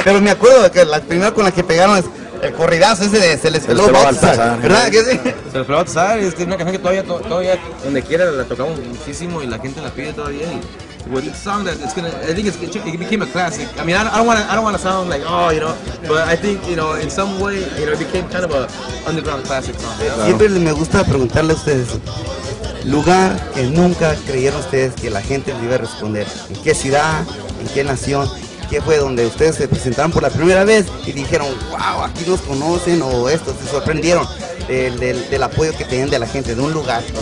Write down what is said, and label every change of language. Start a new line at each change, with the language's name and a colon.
Spanish: Pero me acuerdo que la primera con la que pegaron es el corridazo ese de Celestino Baltasar. ¿Verdad que sí? Celestino Baltasar es una canción que todavía, donde quiera, la tocamos muchísimo y la gente la pide todavía.
English: With the song that it's gonna, I think it became a classic. I mean, I don't want to sound like, oh, you know, but I think, you know, in some way, you know, it became kind of a underground classic song. You know?
Spanish: Siempre me gusta preguntarle a ustedes, lugar que nunca creyeron ustedes que la gente les iba a responder. ¿En qué ciudad? ¿En qué nación? ¿Qué fue donde ustedes se presentaron por la primera vez y dijeron, wow, aquí nos conocen, o esto, se sorprendieron del apoyo que tenían de la gente, de un lugar?